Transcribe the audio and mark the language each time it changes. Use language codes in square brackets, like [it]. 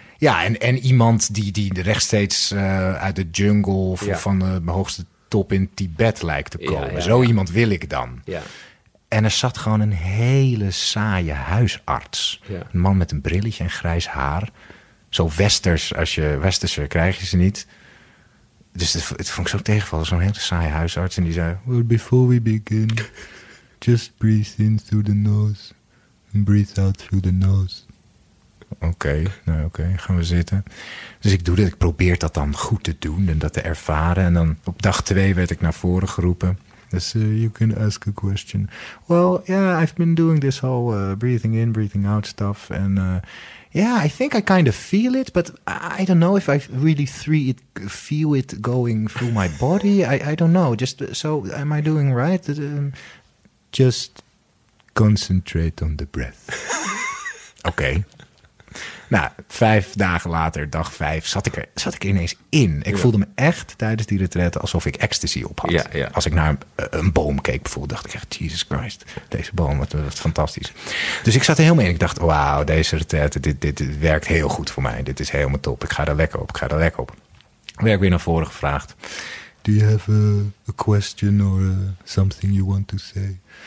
[nl] Ja, en iemand die rechtstreeks uit de jungle of van de hoogste top in Tibet lijkt te komen. Ja, ja, zo iemand wil ik dan. Ja. En er zat gewoon een hele saaie huisarts. Ja. Een man met een brilletje en grijs haar. Zo westers, als je westerser krijg je ze niet. Dus het vond ik zo tegenvallen. Zo'n hele saaie huisarts. En die zei, [en] well, before we begin, just breathe in through the nose and breathe out through the nose. [nl] Oké, gaan we zitten. Dus ik doe dit. Ik probeer dat dan goed te doen en dat te ervaren. En dan op 2 werd ik naar voren geroepen. Dus [en] you can ask a question. Well, yeah, I've been doing this whole breathing in, breathing out stuff. And yeah, I think I kind of feel it. But I don't know if I really feel it going through my body. I don't know. Just so, am I doing right? Just concentrate on the breath. Oké. [nl] Nou, 5 dagen later, 5, zat ik ineens in. Ik voelde me echt tijdens die retraite alsof ik ecstasy op had. Ja, ja. Als ik naar een boom keek, bijvoorbeeld, dacht ik echt, Jesus Christ, deze boom, wat fantastisch. Dus ik zat er helemaal in. Ik dacht, wauw, deze retraite, dit werkt heel goed voor mij. Dit is helemaal top. Ik ga er lekker op. Werd weer naar voren gevraagd. [en] Do you have a question or something you want to say?